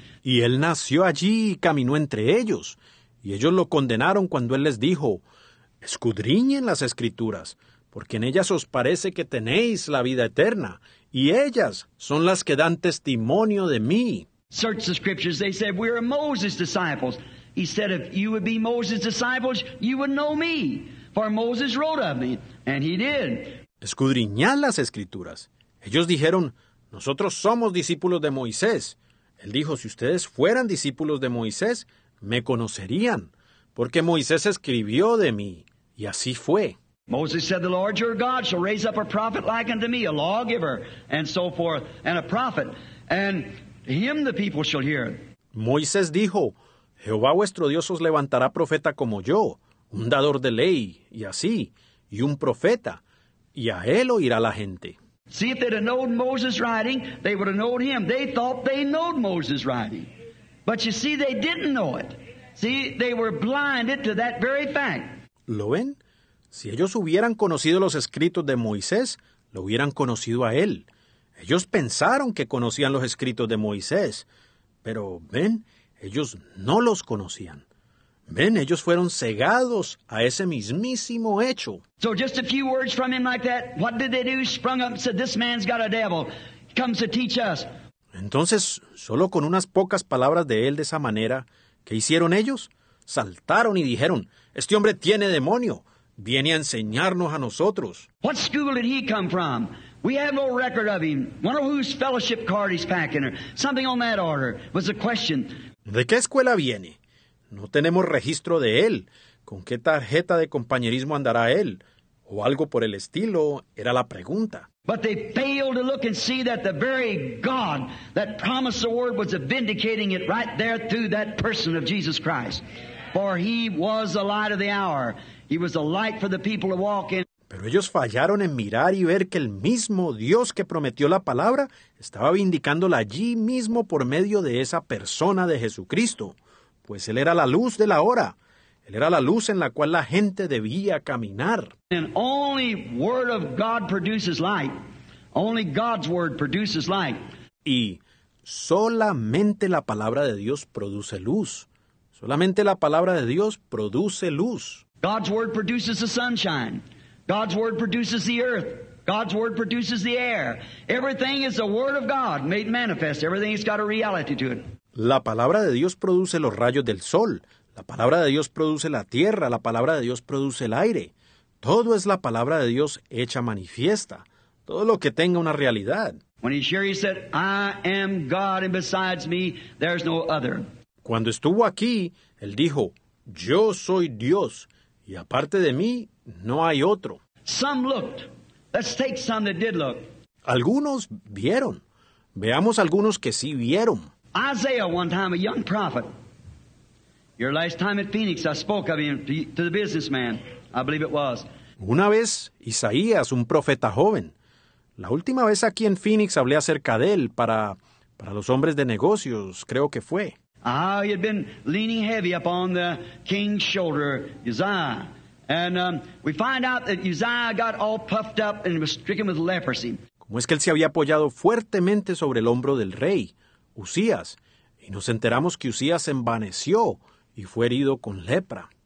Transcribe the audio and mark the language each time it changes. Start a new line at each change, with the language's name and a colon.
Spanish: Y él nació allí y caminó entre ellos. Y ellos lo condenaron cuando él les dijo, "Escudriñen las Escrituras, porque en ellas os parece que tenéis la vida eterna, y ellas son las que dan testimonio de mí."
English: Search the Scriptures. They said, "We are Moses' disciples." He said, "If you would be Moses' disciples, you would know me, for Moses wrote of me." And he did.
Spanish: Escudriñad las Escrituras. Ellos dijeron, "Nosotros somos discípulos de Moisés." Él dijo, "Si ustedes fueran discípulos de Moisés, me conocerían, porque Moisés escribió de mí." Y así fue.
English: Moses said, "The Lord your God shall raise up a prophet like unto me, a lawgiver," and so forth, "and a prophet. And him the people shall hear."
Spanish: Moisés dijo, "Jehová vuestro Dios os levantará profeta como yo, un dador de ley, y así, y un profeta, y a él oirá la gente."
English: See, if they'd have known Moses' writing, they would have known him. They thought they knew Moses' writing. But you see, they didn't know it. See, they were blinded to that very fact.
Spanish: ¿Lo ven? Si ellos hubieran conocido los escritos de Moisés, lo hubieran conocido a él. Ellos pensaron que conocían los escritos de Moisés, pero ven, ellos no los conocían. Ven, ellos fueron cegados a ese mismísimo hecho.
English: So just a few words from him like that, what did they do? Sprung up and said, "This man's got a devil. He comes to teach us."
Spanish: Entonces, solo con unas pocas palabras de él de esa manera, ¿qué hicieron ellos? Saltaron y dijeron, "Este hombre tiene demonio. Viene a enseñarnos a nosotros."
English: What school did he come from? We have no record of him. Wonder whose fellowship card he's packing, or something on that order was the question.
Spanish: ¿De qué escuela viene? No tenemos registro de él. ¿Con qué tarjeta de compañerismo andará él? O algo por el estilo, era la pregunta.
English: But they failed to look and see that the very God that promised the Word was vindicating it right there through that person of Jesus Christ. For he was the light of the hour. He was the light for the people to walk in.
Spanish: Pero ellos fallaron en mirar y ver que el mismo Dios que prometió la palabra estaba vindicándola allí mismo por medio de esa persona de Jesucristo. Pues Él era la luz de la hora. Él era la luz en la cual la gente debía caminar.
English: And only word of God produces light. Only God's word produces light.
Spanish: Y solamente la palabra de Dios produce luz. Solamente la palabra de Dios produce luz.
English: God's word produces the sunshine. God's word produces the earth. God's word produces the air. Everything is the word of God made manifest. Everything has got a reality to it.
Spanish: La palabra de Dios produce los rayos del sol. La palabra de Dios produce la tierra. La palabra de Dios produce el aire. Todo es la palabra de Dios hecha manifiesta. Todo lo que tenga una realidad.
English: When he shared, he said, "I am God, and besides me, there's no other."
Spanish: Cuando estuvo aquí, él dijo, "Yo soy Dios, y aparte de mí, no hay otro."
English: Some looked. Let's take some that did look.
Spanish: Algunos vieron. Veamos algunos que sí vieron.
English: Isaiah, one time, a young prophet. Your last time at Phoenix, I spoke of him to the businessman. I believe it was.
Spanish: Una vez, Isaías, un profeta joven. La última vez aquí en Phoenix hablé acerca de él para los hombres de negocios, creo que fue.
English: Ah, he had been leaning heavy upon the king's shoulder, Uzziah. And we find out that Uzziah got all puffed up and was stricken with leprosy.
Spanish: ¿Cómo es que él se había apoyado fuertemente sobre el hombro del rey, Uzzías? Y nos enteramos que Uzzías se envaneció y fue herido con lepra.